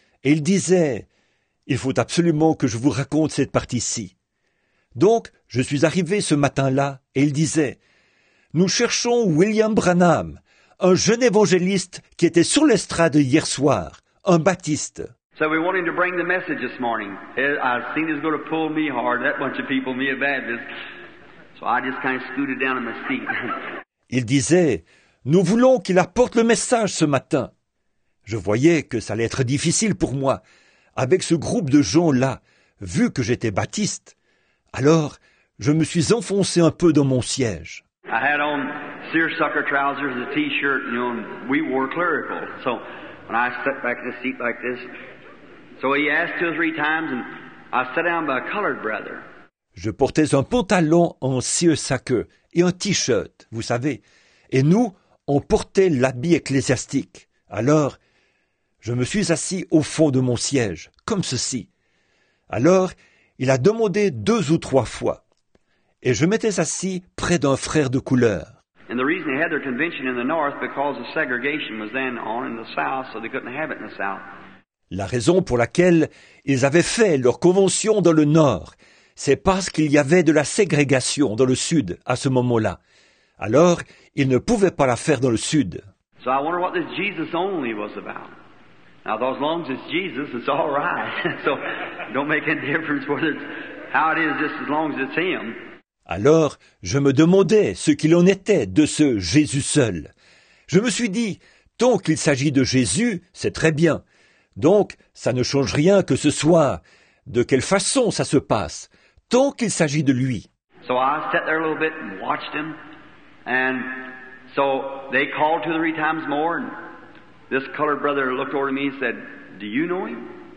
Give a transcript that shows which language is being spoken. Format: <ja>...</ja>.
<fr>Et il disait, il faut absolument que je vous raconte cette partie-ci. Donc, je suis arrivé ce matin-là et il disait, nous cherchons William Branham, un jeune évangéliste qui était sur l'estrade hier soir, un baptiste.</fr> <en>So we want him to bring the message this morning. I seen he's going to pull me hard, that bunch of people, me a Baptist. So I just kind of scooted down in my seat.</en> <fr>Il disait, nous voulons qu'il apporte le message ce matin. Je voyais que ça allait être difficile pour moi, avec ce groupe de gens-là, vu que j'étais baptiste. Alors, je me suis enfoncé un peu dans mon siège.</fr> <en>I had on seersucker trousers, a t-shirt, you know, and we wore clerical. So when I sat back in the seat like this, so he asked two or three times, and I sat down by a colored brother.</en> <fr>Je portais un pantalon en seersucker et un t-shirt, vous savez. Et nous, on portait l'habit ecclésiastique. Alors, je me suis assis au fond de mon siège, comme ceci. Alors, il a demandé deux ou trois fois. Et je m'étais assis près d'un frère de couleur.</fr> <en>And the reason they had their convention in the north, because the segregation was then on in the south, so they couldn't have it in the south.</en> <fr>La raison pour laquelle ils avaient fait leur convention dans le Nord, c'est parce qu'il y avait de la ségrégation dans le Sud à ce moment-là. Alors, ils ne pouvaient pas la faire dans le Sud.</fr> <en>So I wonder what this Jesus only was about. Now, as long as it's Jesus, it's all right. So, don't make any difference whether it's how it is, just as long as it's Him.</en> <fr>Alors, je me demandais ce qu'il en était de ce Jésus seul. Je me suis dit, tant qu'il s'agit de Jésus, c'est très bien. Donc, ça ne change rien que ce soit, de quelle façon ça se passe, tant qu'il s'agit de lui.</fr> <en>So I sat there a little bit and watched them. And so they called two or three times more, and this colored brother looked over to me and said, "Do you know him?"</en>